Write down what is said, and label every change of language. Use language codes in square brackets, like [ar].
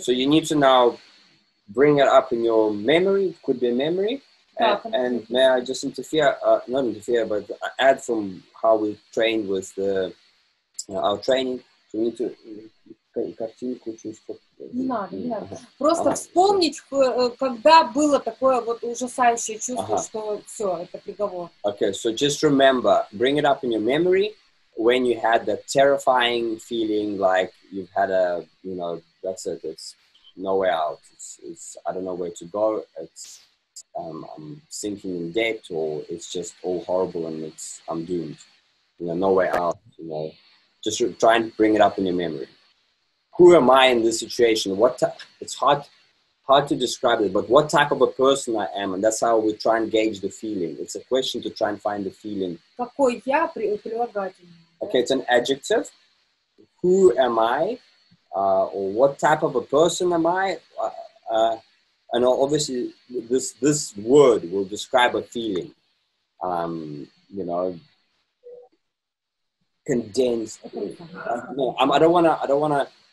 [en] So you need to now bring it up in your memory. It could be a memory. And may I just interfere, not interfere, but add from how we trained with the, you know, our training. So we need to... [ru] картинку чувствовать. Не надо, не надо. Ага. Просто ага. Вспомнить, когда было такое вот ужасающее чувство, ага. Что все, это приговор. [en] Okay, so just remember, bring it up in your memory when you had that terrifying feeling, like you've had a, you know, that's it, it's no way out, it's I don't know where to go, it's I'm sinking in debt, or it's just all horrible and it's I'm doomed, you know, no way out, you know, just try and bring it up in your memory. Who am I in this situation? It's hard to describe it, but what type of a person I am, and that's how we try and gauge the feeling. It's a question to try and find the feeling. [ru] Какой я прилагательный? [en] Okay, it's an adjective. Who am I? Or what type of a person am I? And obviously, this word will describe a feeling. You know. Condensed. I don't wanna.